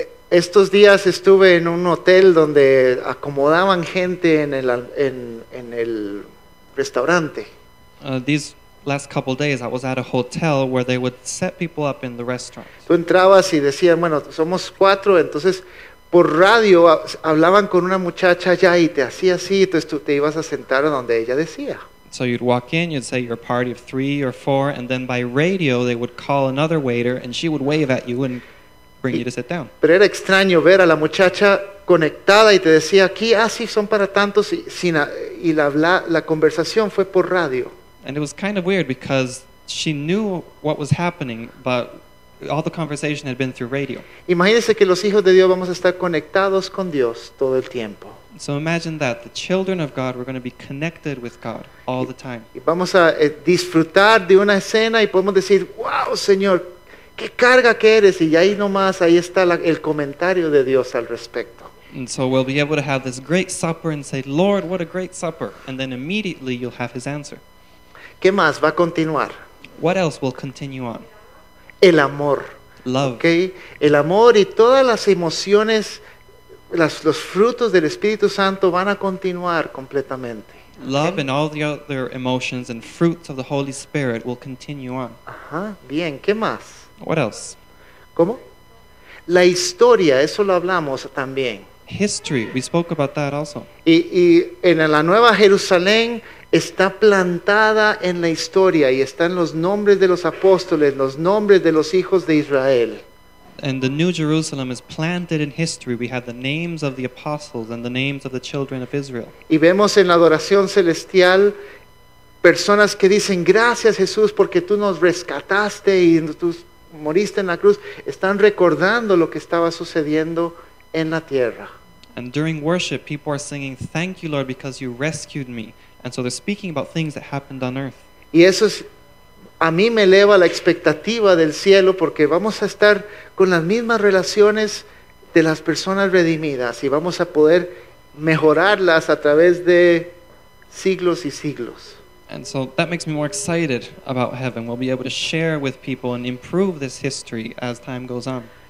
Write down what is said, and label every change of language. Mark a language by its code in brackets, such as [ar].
[es] Estos días estuve en un hotel donde acomodaban gente en el restaurante. [en] These last couple days I was at a hotel where they would set people up in the restaurant. [es] Tú entrabas y decían, bueno, somos cuatro, entonces por radio hablaban con una muchacha allá y te hacía así, entonces tú te ibas a sentar donde ella decía. [en] So you'd walk in, you'd say you're a party of three or four, and then by radio they would call another waiter and she would wave at you and bring you to sit down. [es] Pero era extraño ver a la muchacha conectada y te decía aquí, sí, son para tantos, y la conversación fue por radio. [en] And it was kind of weird because she knew what was happening, but all the conversation had been through radio. [es] Imagínese que los hijos de Dios vamos a estar conectados con Dios todo el tiempo. [en] So imagine that the children of God were going to be connected with God all the time. [es] Y vamos a disfrutar de una escena y podemos decir, wow, Señor, qué carga que eres, y ahí nomás ahí está el comentario de Dios al respecto. [en] And so we'll be able to have this great supper and say, Lord, what a great supper, and then immediately you'll have his answer. [es] ¿Qué más va a continuar? [en] What else will continue on? [es] El amor. [en] Love. Okay? [es] El amor y todas las emociones, los frutos del Espíritu Santo van a continuar completamente. [en] Love, okay? And all the other emotions and fruits of the Holy Spirit will continue on. [es] Ajá, bien, ¿qué más? [en] What else? [es] ¿Cómo? La historia, eso lo hablamos también. [en] History, we spoke about that also. [es] Y en la Nueva Jerusalén está plantada en la historia y están los nombres de los apóstoles, los nombres de los hijos de Israel. [en] And the New Jerusalem is planted in history. We have the names of the apostles and the names of the children of Israel. [es] Y vemos en la adoración celestial personas que dicen, gracias Jesús porque tú nos rescataste y tú moriste en la cruz. Están recordando lo que estaba sucediendo en la tierra. [en] And during worship, people are singing, thank you Lord because you rescued me. And so they're speaking about things that happened on earth. [es] Y eso es, a mí me eleva la expectativa del cielo porque vamos a estar con las mismas relaciones de las personas redimidas y vamos a poder mejorarlas a través de siglos y siglos. [en] And so that makes me more excited about heaven. We'll be able to share with people and improve this history as time goes on.